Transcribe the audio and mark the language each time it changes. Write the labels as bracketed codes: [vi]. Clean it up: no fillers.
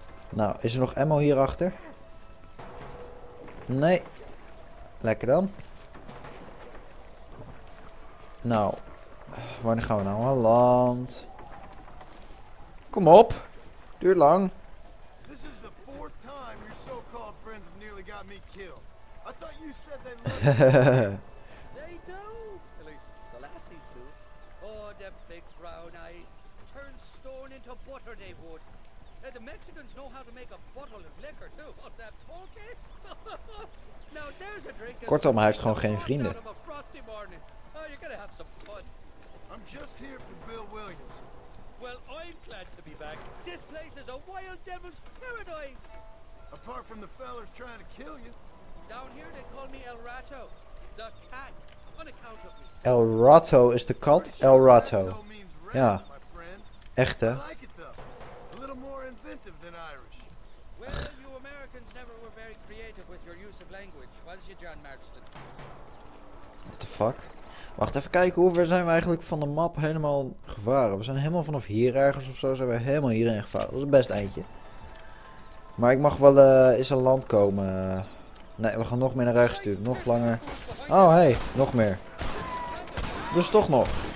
[nl] Nou, is er nog ammo hierachter? Nee. Lekker dan. Nou, wanneer gaan we nou aan land? Kom op. Duurt lang. [en] This is the fourth time your so-called friends have nearly got me killed. I thought you said they loved you. They do. At least the lassies do. Oh, them big brown eyes. Turn stone into butter they would. The Mexicans know how to make a bottle of liquor too. What, that pulque? Now there's a drink. [nl] Kortom, hij heeft gewoon geen vrienden. [en] Oh, you're gonna have some fun. I'm just here for Bill Williams. Well, I'm glad to be back. This place is a wild devil's paradise. Apart from the fellas trying to kill you. Down here they call me El Rato, the cat, on account of his... [nl] El Rato is de kat? El Rato. Ja. Echt, hè? [en] I like it though. A little more inventive than Irish. Well, you Americans never were very creative with your use of language, was you, John Marston? What the fuck? [nl] Wacht, even kijken, hoe ver zijn we eigenlijk van de map helemaal gevaren? We zijn helemaal vanaf hier ergens of zo, zijn we helemaal hierin gevaren. Dat is het beste eindje. Maar ik mag wel eens aan land komen. Nee, we gaan nog meer naar rechts sturen. Nog langer. Oh, hey, nog meer. Dus toch nog.